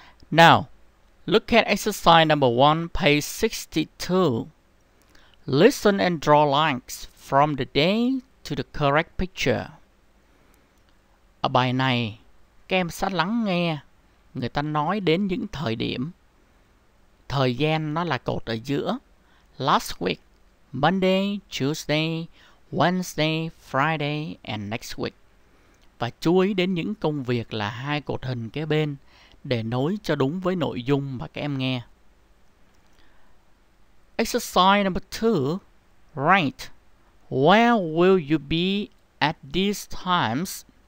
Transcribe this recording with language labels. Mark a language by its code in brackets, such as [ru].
[en] Now, look at exercise number 1, page 62. Listen and draw lines from the day to the correct picture. [vi] Ở bài này, các em sẽ lắng nghe người ta nói đến những thời điểm. Thời gian nó là cột ở giữa. [en] Last week, Monday, Tuesday, Wednesday, Friday, and next week. [vi] Và chú ý đến những công việc là hai cột hình kế bên để nối cho đúng với nội dung mà các em nghe. [en] Exercise number 2. Write. Where will you be at these times?